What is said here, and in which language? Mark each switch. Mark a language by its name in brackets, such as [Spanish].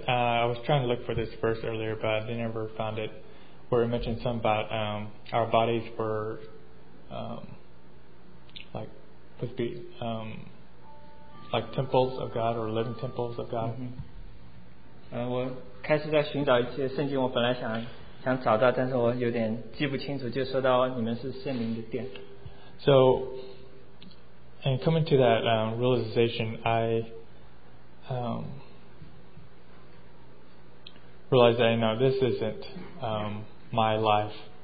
[English] I was trying to look for this verse earlier, but I never found it. Where it mentioned something about our bodies were like supposed to be like temples of God or living temples of God. [Chinese] 我开始在寻找一些圣经，我本来想找到，但是我有点记不清楚，就说到你们是圣灵的殿。 [English] So, and coming to that realization, I realize that, you know, this isn't my life.